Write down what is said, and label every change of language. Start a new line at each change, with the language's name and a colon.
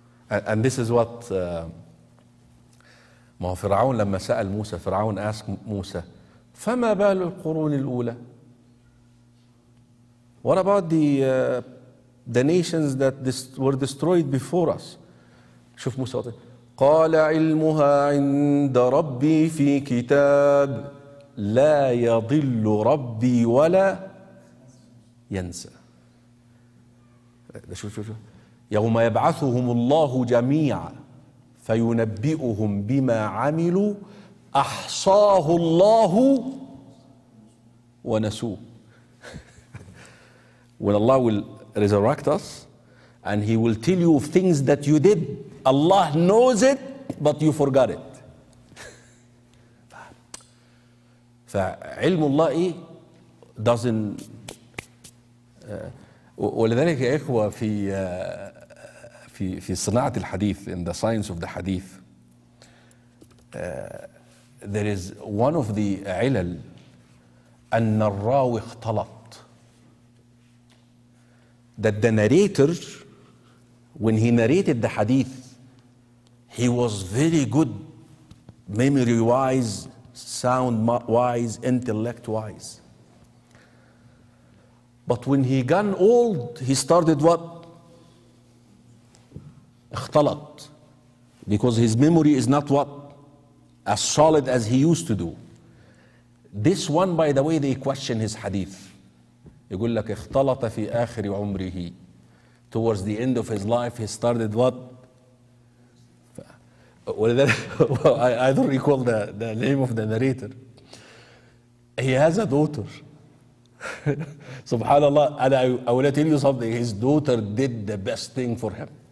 English: And this is what Fir'aun,
Arabic: لما سأل موسى,
English: Fir'aun asked
Arabic: موسى, فما بال القرون الأولى?
English: What about the nations that were destroyed before us?
Arabic: شوف موسى. قال علمها عند ربي في كتاب لا يضل ربي ولا ينسى. شوف شوف شوف. يوم يبعثهم الله جميعا فينبئهم بما عملوا أحصاه الله ونسوه.
English: When Allah will resurrect us and he will tell you of things that you did, Allah knows it but you forgot it.
Arabic: فعلم الله doesn't. ولذلك يا إخوة في صناعة الحديث,
English: in the science of the hadith, there is one of the علل
Arabic: أن الراوي اختلط.
English: That the narrator, when he narrated the hadith, he was very good memory wise, sound wise, intellect wise. But when he got old, he started what? اختلط. Because his memory is not what? As solid as he used to do. This one, by the way, they question his hadith.
Arabic: يقول لك اختلط في آخر عمره.
English: Towards the end of his life, he started what? I don't recall the name of the narrator. He has a daughter. Subhanallah, and I will tell you something. His daughter did the best thing for him.